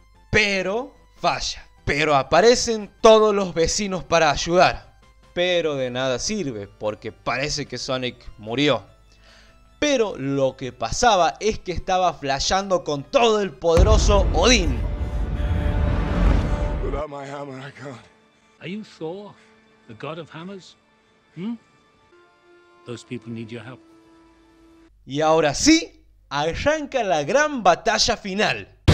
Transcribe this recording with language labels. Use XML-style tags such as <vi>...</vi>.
<es>Pero falla. Pero aparecen todos los vecinos para ayudar. Pero de nada sirve, porque parece que Sonic murió. Pero lo que pasaba es que estaba flasheando con todo el poderoso Odín.</es> <en>Without my hammer, I can't. Are you Thor, the god of hammers? Those people need your help.</en> <es>Y ahora sí, arranca la gran batalla final.</es>